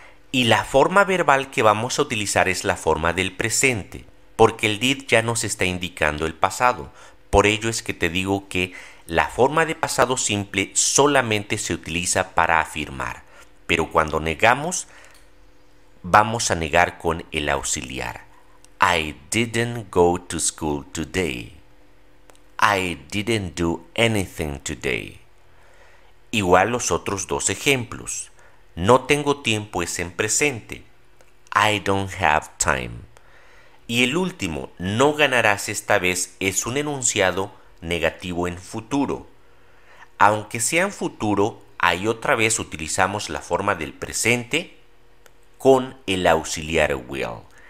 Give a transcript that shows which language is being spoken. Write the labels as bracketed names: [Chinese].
[Spanish] Y la forma verbal que vamos a utilizar es la forma del presente, porque el did ya nos está indicando el pasado. Por ello es que te digo que la forma de pasado simple solamente se utiliza para afirmar, pero cuando negamos, vamos a negar con el auxiliar. [English] I didn't go to school today. I didn't do anything today. [Spanish] Igual los otros dos ejemplos. No tengo tiempo es en presente. [English] I don't have time. [Spanish] Y el último, no ganarás esta vez, es un enunciado negativo en futuro. Aunque sea en futuro, ahí otra vez utilizamos la forma del presente con el auxiliar will.